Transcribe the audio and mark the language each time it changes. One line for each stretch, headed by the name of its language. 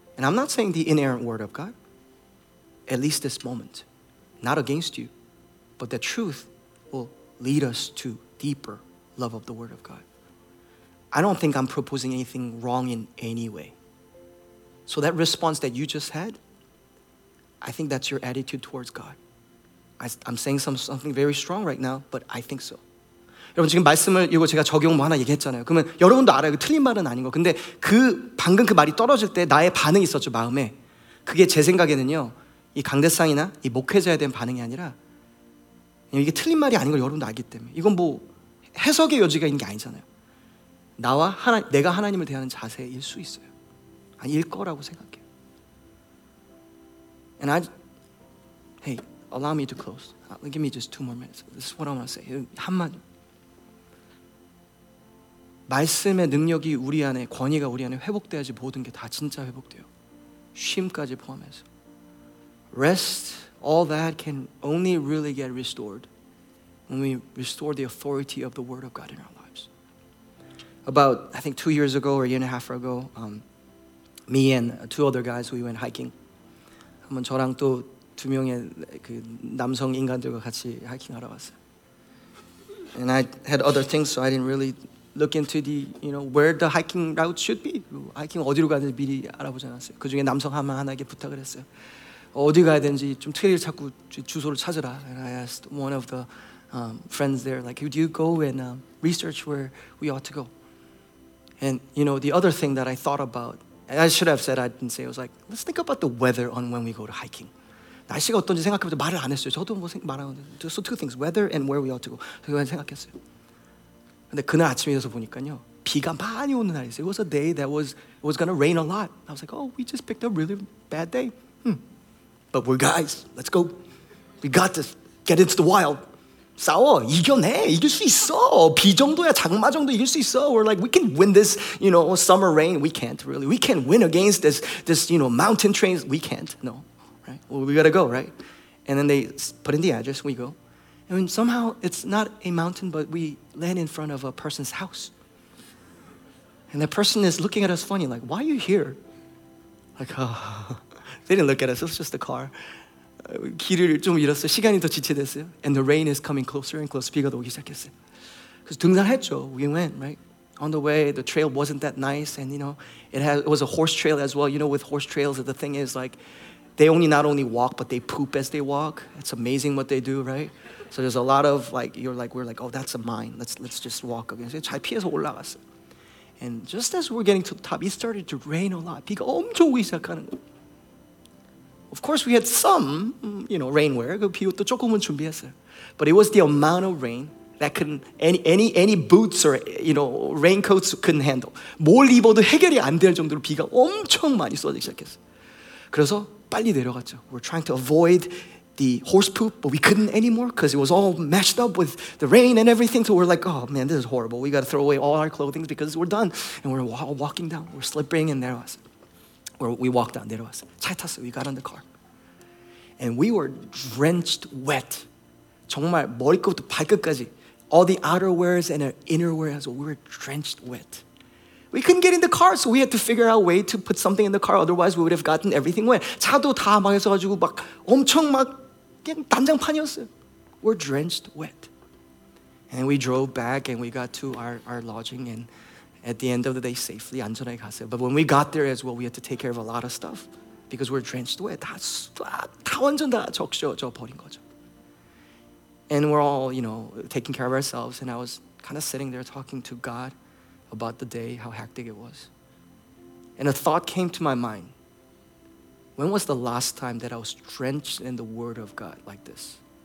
English: And I'm not saying the inerrant word of God, at least this moment, not against you, but the truth will lead us to deeper love of the word of God. I don't think I'm proposing anything wrong in any way. So that response that you just had, I think that's your attitude towards God. I'm saying something very strong right now, but I think so.
Korean: 여러분 지금 말씀을 이거 제가 적용 뭐 하나 얘기했잖아요. 그러면 여러분도 알아요. 틀린 말은 아닌 거. 근데 그 방금 그 말이 떨어질 때 나의 반응이 있었죠, 마음에. 그게 제 생각에는요, 이 강대상이나 이 목회자에 대한 반응이 아니라 이게 틀린 말이 아닌 걸 여러분도 알기 때문에. 이건 뭐 해석의 여지가 있는 게 아니잖아요. 나와 내가 하나님을 대하는 자세일 수 있어요. 아닐 거라고 생각해요.
English: And hey, allow me to close. Give me just two more minutes. This is what I want to say.
Korean: 한마디. 말씀의 능력이 우리 안에, 권위가 우리 안에 회복돼야지 모든 게 다 진짜 회복돼요. 쉼까지 포함해서.
English: Rest, all that can only really get restored when we restore the authority of the word of God in our lives. About, I think, 2 years ago or a year and a half ago, me and two other guys, we went hiking.
Korean: 한번 저랑 또 두 명의 그 남성 인간들과 같이 하이킹하러 갔어요.
English: And I had other things, so I didn't really look into the, you know, where the hiking route should be.
Korean: 하이킹 어디로 가야 되는지 미리 알아보지 않았어요. 그 중에 남성 한 명에게 부탁을 했어요. 어디 가야 되는지 좀 트레일 찾고 주소를 찾으라.
English: And I asked one of the friends there, like, do you go and research where we ought to go? And, you know, the other thing that I thought about, I should have said, I didn't say, I was like, let's think about the weather on when we go to hiking.
Korean: 날씨가 어떤지 생각해보자. 말을 안 했어요. 저도 뭐 말 안 했어요.
English: So two things, weather and where we ought to go.
Korean: 그걸 생각했어요. 근데 그날 아침에 있어서 보니까요, 비가 많이 오는 날이었어요.
English: It was a day that was going to rain a lot. I was like, oh, we just picked a really bad day. But we're guys, let's go. We got to get into the wild.
Korean: 싸워, 이겨내, 이길 수 있어. 비 정도야, 장마 정도 이길 수 있어.
English: We're like, we can win this, you know, summer rain. We can't really. We can't win against this, you know, mountain trains. We can't, no. Right? Well, we gotta go, right? And then they put in the address, we go. I mean, somehow it's not a mountain, but we land in front of a person's house. And that person is looking at us funny, like, why are you here? Like, oh. They didn't look at us, it was just the car.
Korean: 길을 좀 잃었어, 시간이 더 지체됐어요.
English: And the rain is coming closer and closer,
Korean: 비가 오기 시작했어요. 그래서 등산했죠,
English: we went, right? On the way, the trail wasn't that nice, and you know, it was a horse trail as well. You know, with horse trails, the thing is like, they only not only walk, but they poop as they walk. It's amazing what they do, right? So there's a lot of like, you're like, we're like, oh, that's a mine. Let's just walk again.
Korean: 잘 피해서 올라갔어요.
English: And just as we're getting to the top, it started to rain a lot.
Korean: 비가 엄청 오기 시작하는 거예요.
English: Of course, we had some, you know, rainwear.
Korean: 그 비옷도 조금은 준비했어요.
English: But it was the amount of rain that any boots or, you know, raincoats couldn't handle.
Korean: 뭘 입어도 해결이 안 될 정도로 비가 엄청 많이 쏟아지기 시작했어요. 그래서 빨리 내려갔죠.
English: We're trying to avoid the horse poop, but we couldn't anymore because it was all matched up with the rain and everything. So we're like, oh man, this is horrible. We got to throw away all our clothing because we're done. And we're walking down. We're slipping and there was. We walked down. There was.
Korean: 차에 탔어요.
English: We got in the car. And we were drenched wet.
Korean: 정말 머리끝부터 발끝까지.
English: All the outerwears and our innerwear as well. We were drenched wet. We couldn't get in the car, so we had to figure out a way to put something in the car. Otherwise, we would have gotten everything wet.
Korean: 차도 다 망해서 가지고 막 엄청 막 그냥 난장판이었어요.
English: We're drenched wet. And we drove back and we got to our lodging and at the end of the day safely
Korean: 안전하게 갔어요.
English: But when we got there as well, we had to take care of a lot of stuff because we're drenched wet.
Korean: 다 완전 다 적셔져 버린 거죠.
English: And we're all, you know, taking care of ourselves. And I was kind of sitting there talking to God about the day, how hectic it was. And a thought came to my mind. When was the last time that I was drenched in the word of God like this?